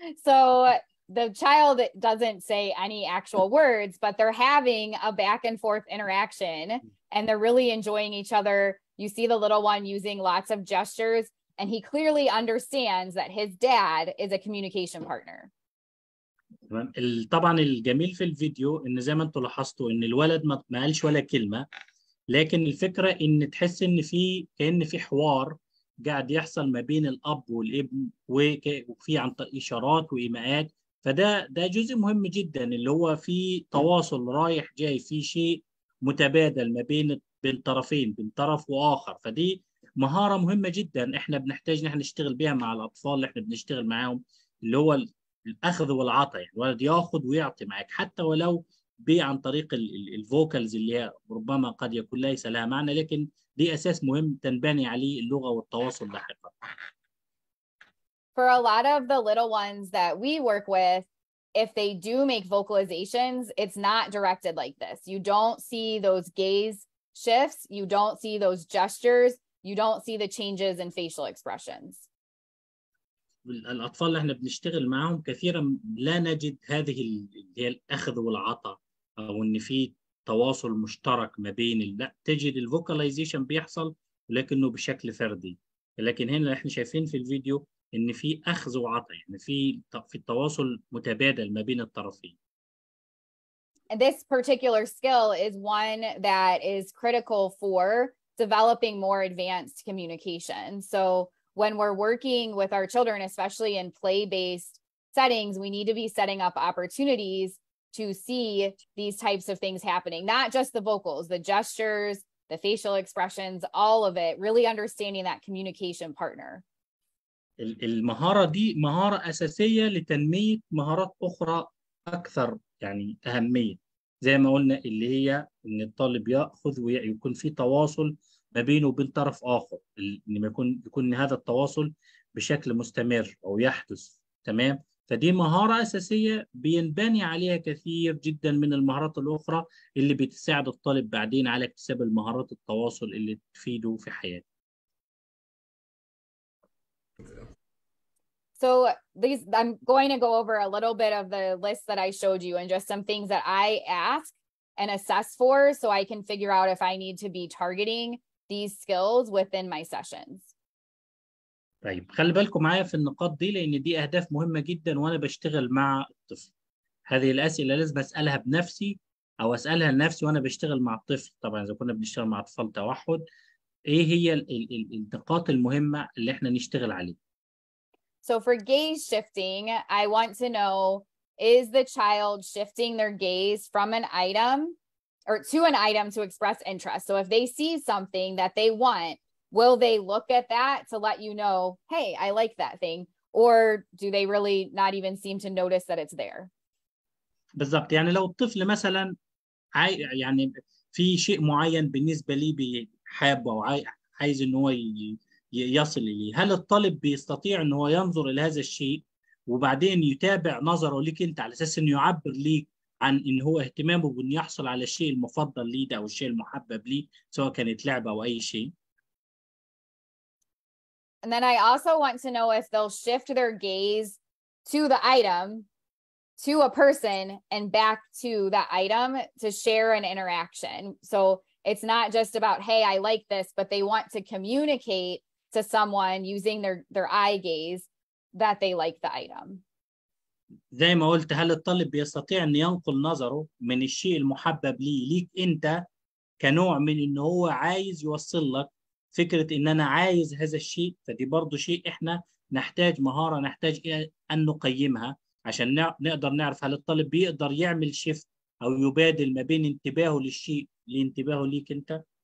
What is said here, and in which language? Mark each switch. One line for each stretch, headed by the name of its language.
English: So the child doesn't say any actual words, but they're having a back and forth interaction and they're really enjoying each other. You see the little one using lots of gestures, and he clearly understands that his dad is a communication partner.
Arabic: طبعا الجميل في الفيديو ان زي ما انتم لاحظتوا ان الولد ما قالش ولا كلمه، لكن الفكره ان تحس ان في كان في حوار قاعد يحصل ما بين الاب والابن، وفي عن اشارات وايماءات، فده جزء مهم جدا اللي هو في تواصل رايح جاي، في شيء متبادل ما بين طرفين، بين طرف واخر، فدي مهاره مهمه جدا احنا بنحتاج ان احنا نشتغل بيها مع الاطفال اللي احنا بنشتغل معاهم، اللي هو الاخذ والعطاء، يعني الولد ياخذ ويعطي معك حتى ولو عن طريق الفوكالز اللي هي ربما قد يكون ليس لها معنى، لكن دي اساس مهم تنبني عليه اللغه والتواصل لاحقا.
English: For a lot of the little ones that we work with, if they do make vocalizations, it's not directed like this. You don't see those gaze shifts. You don't see those gestures. You don't see the changes in facial expressions.
Arabic: الأطفال اللي احنا بنشتغل معهم كثيرا لا نجد هذه اللي هي الأخذ والعطاء، أو إن في تواصل مشترك ما بين لا تجد الفوكاليزيشن بيحصل لكنه بشكل فردي، لكن هنا احنا شايفين في الفيديو ان في اخذ وعطاء، يعني في التواصل متبادل ما بين الطرفين.
English: This particular skill is one that is critical for developing more advanced communication. So when we're working with our children, especially in play-based settings, we need to be setting up opportunities to see these types of things happening, not just the vocals, the gestures, the facial expressions, all of it, really understanding that communication partner.
Arabic: المهارة دي مهارة أساسية لتنمية مهارات أخرى أكثر يعني أهمية، زي ما قلنا اللي هي إن الطالب يأخذ ويكون في تواصل ما بينه وبين طرف آخر، إن ما يكون هذا التواصل بشكل مستمر أو يحدث، تمام؟ فدي مهارة أساسية بينبني عليها كثير جدا من المهارات الأخرى اللي بتساعد الطالب بعدين على اكتساب المهارات التواصل اللي تفيده في حياته.
English: So these, I'm going to go over a little bit of the list that I showed you and just some things that I ask and assess for so I can figure out if I need to be targeting these skills within my sessions.
Arabic: طيب خلي بالكم معايا في النقاط دي لان دي اهداف مهمه جدا وانا بشتغل مع الطفل. هذه الاسئله لازم اسالها بنفسي او اسالها لنفسي وانا بشتغل مع الطفل، طبعا اذا كنا بنشتغل مع اطفال توحد، ايه هي النقاط المهمه اللي احنا نشتغل عليها؟
English: So for gaze shifting, I want to know, is the child shifting their gaze from an item or to an item to express interest? So if they see something that they want, will they look at that to let you know, hey, I like that thing? Or do they really not even seem to notice that it's there?
Arabic: بالضبط، يعني لو الطفل مثلا يعني في شيء معين بالنسبة لي بيحبه أو عايز إن هو يصل لي، هل الطالب بيستطيع ان هو ينظر الى هذا الشيء وبعدين يتابع نظره ليك انت على اساس انه يعبر ليك عن ان هو اهتمامه بان يحصل على الشيء المفضل ليه ده او الشيء المحبب ليه سواء كانت لعبه او اي شيء؟
English: And then I also want to know if they'll shift their gaze to the item, to a person, and back to that item to share an interaction. So it's not just about, hey, I like this, but they want to communicate to someone using their eye gaze that they like the item.
Arabic: زي ما قلت، هل الطالب بيستطيع ان ينقل نظره من الشيء المحبب ليه ليك انت كنوع من ان هو عايز يوصل لك فكره ان انا عايز هذا الشيء؟ فدي برضه شيء احنا نحتاج مهاره، نحتاج ان نقيمها عشان نقدر نعرف هل الطالب بيقدر يعمل شيفت او يبادل ما بين انتباهه للشيء لانتباهه ليك انت.